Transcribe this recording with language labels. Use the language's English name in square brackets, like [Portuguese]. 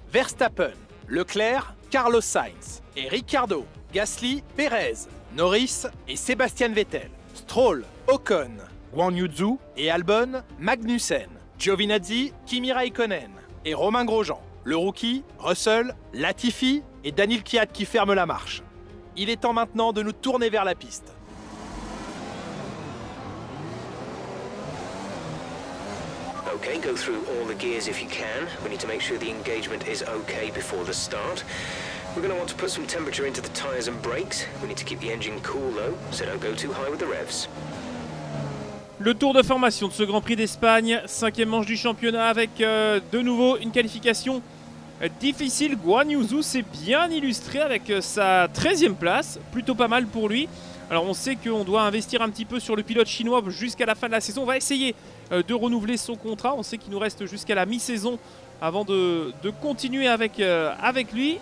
[French] Verstappen, Leclerc, Carlos Sainz et Ricciardo, Gasly, Perez, Norris et Sebastian Vettel, Stroll, Ocon, Guan Yuzhu et Albon, Magnussen, Giovinazzi, Kimi Raikkonen et Romain Grosjean, le rookie, Russell, Latifi et Daniil Kvyat qui ferme la marche. Il est temps maintenant de nous tourner vers la piste. [English] Okay, go through all the gears if you can. We need to make sure the engagement is okay before the start. We're going to want to put some temperature into the tires and brakes. We need to keep the engine cool though, so don't go too high with the revs. [French] Le tour de formation de ce Grand Prix d'Espagne, cinquième manche du championnat avec de nouveau une qualification difficile. Guan Yuzhu s'est bien illustré avec sa 13e place, plutôt pas mal pour lui. Alors on sait qu'on doit investir un petit peu sur le pilote chinois jusqu'à la fin de la saison. On va essayer de renouveler son contrat, on sait qu'il nous reste jusqu'à la mi-saison avant de continuer avec lui.